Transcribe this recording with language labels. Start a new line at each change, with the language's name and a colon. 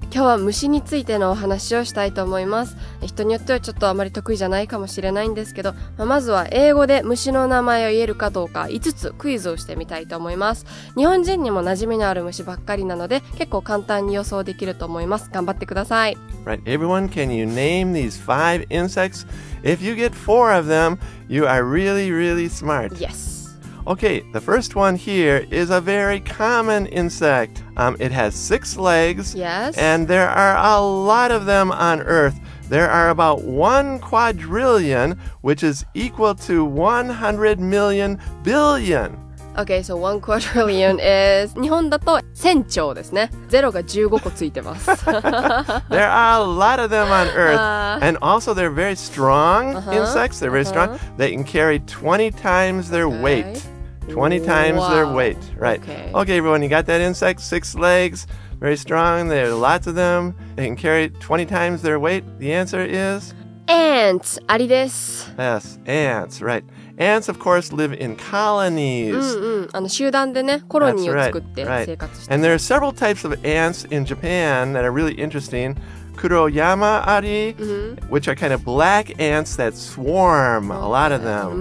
Japanese: 今日は虫についてのお話をしたいと思います。人によってはちょっとあまり得意じゃないかもしれないんですけど、まずは英語で虫の名前を言えるかどうか5つクイズをしてみたいと思います。日本人にも馴染みのある虫ばっかりなので、結構簡単に予想できると思います。頑張ってください。
English: Right, everyone, can you name these five insects? If you get four of them, you are really, really smart. Yes. Okay, the first one here is a very common insect. It has six legs. Yes. And there are a lot of them on Earth. There are about 1 quadrillion, which is equal to 100 million billion. Okay, so 1 quadrillion is
Japanese: 日本だと千兆ですね。ゼロが15個ついてます。
English: There are a lot of them on Earth. And also they're very strong insects. They're very strong. They can carry 20 times their weight. 20 times their weight, right. Okay, everyone, you got that insect? Six legs, very strong, there are lots of them. They can carry 20 times their weight. The answer is? Ants,
Japanese: アリです。
English: Yes, ants, right. Ants, of course, live in colonies.
Japanese: あの集団でね、コロニーを作って生活してる。
English: And there are several types of ants in Japan that are really interesting. Kuroyama ari, which are kind of black ants that swarm, a lot of them.